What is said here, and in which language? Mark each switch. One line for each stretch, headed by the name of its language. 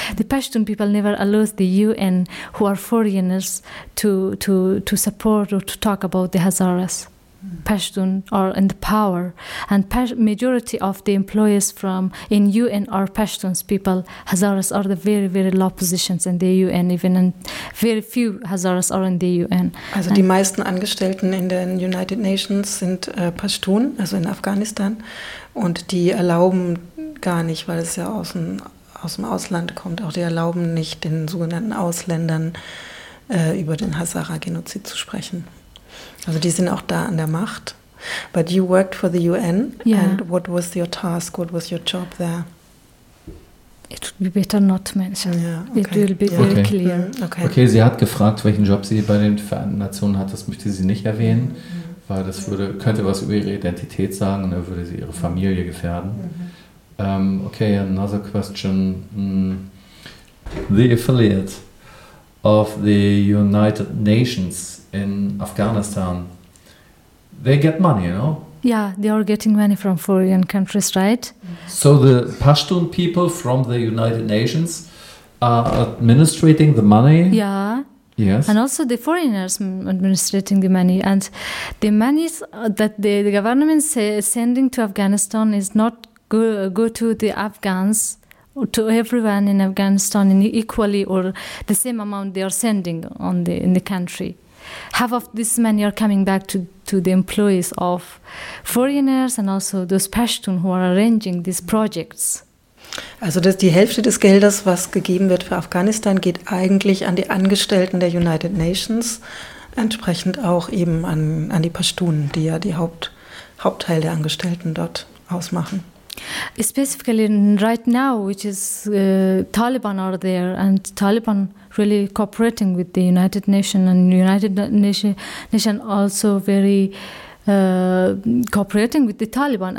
English: The Pashtun people never allow the UN, who are foreigners, to support or to talk about the Hazaras. Pashtun are in the power, and majority of the employees from in UN are Pashtuns people. Hazaras are the very, very low positions in the UN, even and very few Hazaras are in the UN.
German: Also die meisten Angestellten in den United Nations sind Pashtun, also in Afghanistan, und die erlauben gar nicht, weil es ja aus dem Ausland kommt, auch die erlauben nicht den sogenannten Ausländern über den Hazara-Genozid zu sprechen. Also die sind auch da an der Macht.
English: But you worked for the UN, and what was your task, what was your job there? It would be better not to mention. Yeah, okay. It will be very clear.
German: Okay, sie hat gefragt, welchen Job sie bei den Vereinten Nationen hat, das möchte sie nicht erwähnen, weil das könnte was über ihre Identität sagen, und dann würde sie ihre Familie gefährden.
English: Mm-hmm. Okay, another question. The affiliate of the United Nations in Afghanistan, they get money, you know? Yeah, they are getting money from foreign countries, right? So the Pashtun people from the United Nations are administrating the money? Yeah. Yes. And also the foreigners administrating the money. And the money that the government is sending to Afghanistan is not go to the Afghans, to everyone in Afghanistan in equally or the same amount they are sending in the country. Half of this money are coming back to the employees of foreigners and also those Pashtun who are arranging these projects.
German: Also die Hälfte des Geldes, was gegeben wird für Afghanistan, geht eigentlich an die Angestellten der United Nations, entsprechend auch eben an die Pashtun, die ja die Hauptteil der Angestellten dort ausmachen.
English: Specifically right now, which is Taliban are there, and Taliban really cooperating with the United Nations, and United Nations also very cooperating with the Taliban.